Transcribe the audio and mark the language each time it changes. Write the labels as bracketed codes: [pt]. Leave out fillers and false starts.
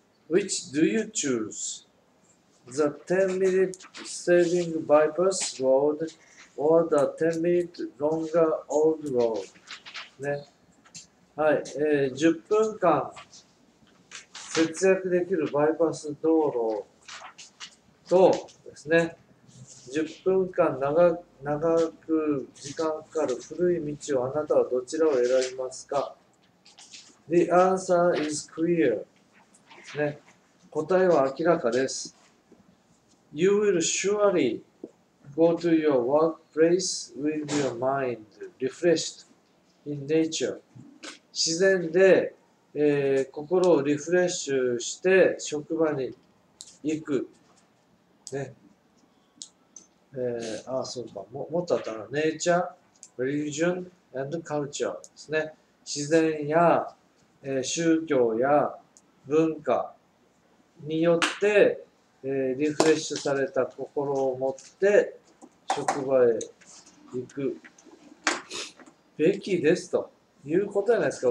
[en] Which do you chooseThe 10 minute saving bypass road or the 10 minute longer old road? [ja] ね。はい。 10分間節約できるバイパス道路とですね、10分間長く時間かかる古い道をあなたはどちらを選びますか? [en] The answer is clear. [ja] ね。答えは明らかです。 [en] You will surely go to your workplace with your mind refreshed in nature. [ja] 自然で、心をリフレッシュして職場に行く。ね。そうか。もっとあったら、 [en] nature, religion, and culture [ja] ですね。自然や、宗教や文化によってリフレッシュされた心を持って職場へ行くべきですということじゃないですか。